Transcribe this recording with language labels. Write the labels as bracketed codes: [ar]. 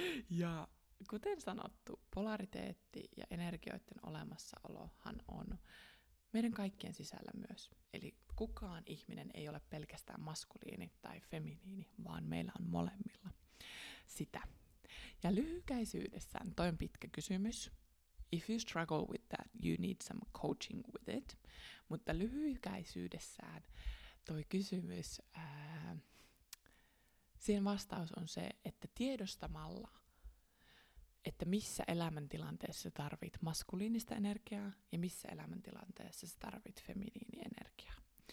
[fi] Ja kuten sanottu, polariteetti ja energioiden olemassaolohan on meidän kaikkien sisällä myös. Eli kukaan ihminen ei ole pelkästään maskuliini tai feminiini, vaan meillä on molemmilla sitä. Ja lyhykäisyydessään, toi on pitkä kysymys. [en] If you struggle with that, you need some coaching with it. [fi] Mutta lyhykäisyydessään toi kysymys, siihen vastaus on se, että tiedostamalla, että missä elämäntilanteessa tarvit maskuliinista energiaa ja missä elämäntilanteessa tarvit feminiinienergiaa.